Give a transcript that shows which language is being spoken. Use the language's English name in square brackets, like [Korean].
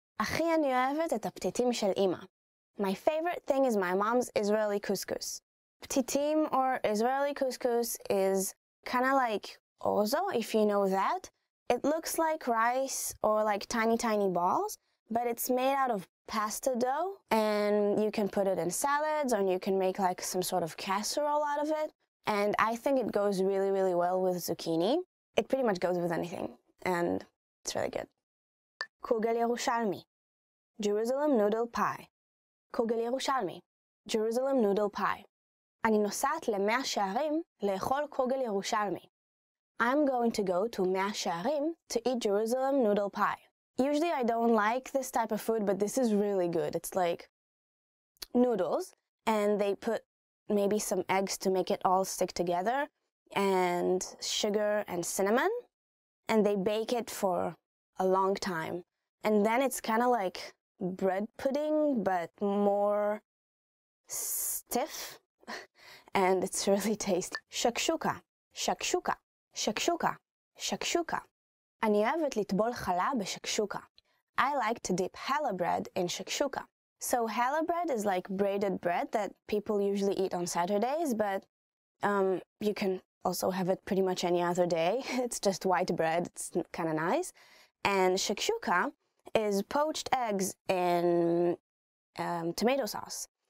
[Hebrew] הכי אני אוהבת את הפתיתים של אמא. [English] My favorite thing is my mom's Israeli couscous. Petitim or Israeli couscous is kind of like orzo, if you know that. It looks like rice or like tiny, tiny balls, but it's made out of pasta dough, and you can put it in salads, or you can make like some sort of casserole out of it. And I think it goes really, really well with zucchini. It pretty much goes with anything, and it's really good. Kugel Yerushalmi, Jerusalem noodle pie. Kugel Yerushalmi, Jerusalem noodle pie. [Hebrew] אני נוסעת למאה שערים לאכול קוגל ירושלמי. [English] I'm going to go to מאה שערים to eat Jerusalem noodle pie. Usually I don't like this type of food, but this is really good. It's like noodles, and they put maybe some eggs to make it all stick together, and sugar and cinnamon, and they bake it for a long time. And then it's kind of like bread pudding, but more stiff. And it's really tasty. Shakshuka, shakshuka, shakshuka, shakshuka. [Hebrew] אני אוהבת לטבול חלה בשקשוקה. [English] I like to dip challah bread in shakshuka. So challah bread is like braided bread that people usually eat on Saturdays, but you can also have it pretty much any other day. It's just white bread. It's kind of nice. And shakshuka is poached eggs in tomato sauce.